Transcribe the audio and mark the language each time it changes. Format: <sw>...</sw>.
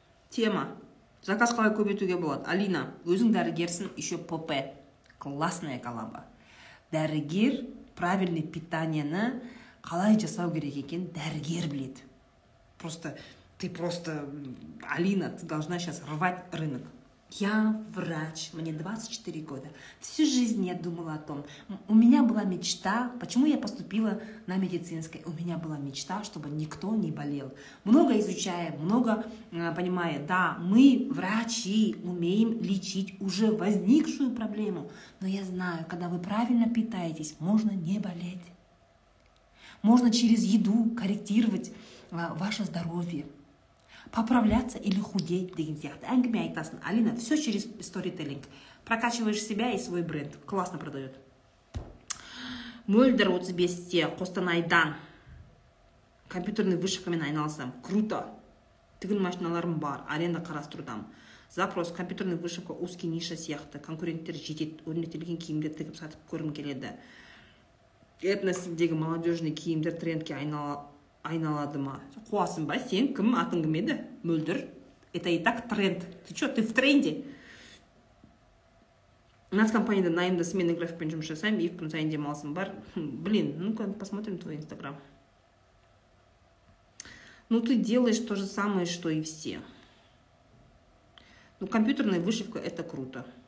<kk>Тема. Заказ қалай көбейтуге болады? Алина, өзің дәрігерсің, еще ПП.</kk> <ru>Классная коллаба.</ru> <kk>Дәрігер правильный питаниені қалай жасау керек екен, дәрігер біледі.</kk> <ru>Просто, ты просто, Алина, ты должна сейчас рвать рынок. Я врач, мне 24 года. Всю жизнь я думала о том, у меня была мечта, почему я поступила на медицинское. У меня была мечта, чтобы никто не болел. Много изучая, много понимая, да, мы, врачи, умеем лечить уже возникшую проблему. Но я знаю, когда вы правильно питаетесь, можно не болеть. Можно через еду корректировать ваше здоровье. Поправляться или худеть,</ru> <kk>деген сияқты. Әңгіме айтасын.</kk> <ru>Алина, все через сторителлинг. Прокачиваешь себя и свой бренд. Классно продает.</ru> <kk>Мөлдір 35-те, Қостанайдан. Компьютерный вышивкамен айналысам. Круто. Тігін машиналарым бар. Аренда қарастырудам. Запрос.</kk> <ru>Компьютерный вышивка узкий ниша сияқты.</ru> <kk>Конкуренттер жетет. Өрнетілген киімдер тігіп сатып көрім келеді. Этносындегі молодежный киімдер трендке айналады ма? Қуасың ба? Сен кім атың кім еді?</kk> <ru>Мөлдір. Это и так тренд. Ты что, ты в тренде?</ru> <kk>Нас компанияда найымды смена графикпен жұмыс жасаймын. Екі күн сайын демалысым бар.</kk> <ru>Блин, ну-ка, посмотрим твой инстаграм. Ну, ты делаешь то же самое, что и все. Ну, компьютерная вышивка – это круто.</ru>